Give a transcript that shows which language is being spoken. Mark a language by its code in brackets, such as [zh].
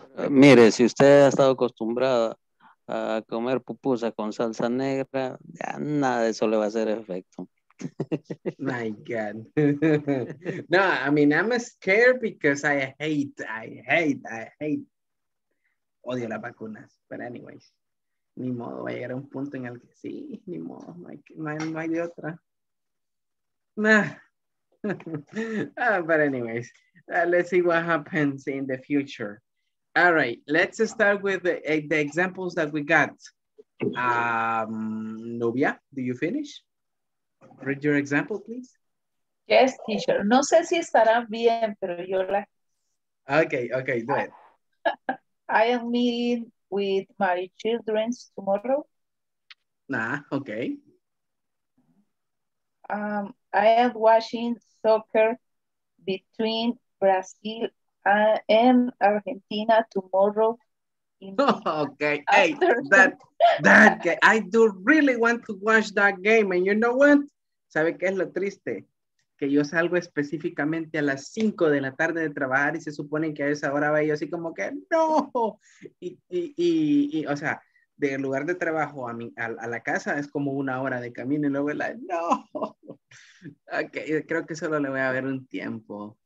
[es] Mire, si usted ha estado acostumbrado a comer pupusa con salsa negra, ya nada de eso le va a hacer efecto. [en] My God. No, I mean, I'm scared because I hate. [es] Odio las vacunas, [en] but anyways. [es] Ni modo, va a llegar a un punto en el que sí, ni modo, no hay de otra. Nah. [en] But anyways, let's see what happens in the future. All right, let's start with the examples that we got. Nubia, do you finish? Read your example, please. Yes, teacher. [es] No sé si estará bien, pero yo la [en] Okay, okay, do it. I am meeting with my children tomorrow. Nah, okay. I am watching soccer between Brazil and Argentina tomorrow. Okay, hey, that game. I do really want to watch that game, and you know what? [es] ¿Sabe qué es lo triste? Que yo salgo específicamente a las 5 de la tarde de trabajar y se supone que a esa hora va yo así como que no. Y o sea, del lugar de trabajo a la casa es como una hora de camino y luego es la no. Ok, creo que solo le voy a ver un tiempo.